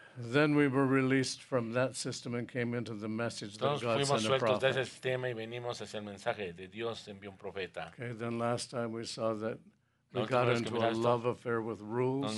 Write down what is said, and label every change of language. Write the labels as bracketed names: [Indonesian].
[English] Then we were released from that system and came into the message [Spanish] entonces [English] that God sent a prophet. [Spanish] Fuimos sueltos de ese sistema y venimos hacia el mensaje de Dios envió un profeta. [English] Okay, then last time we saw that we got into a love affair with rules.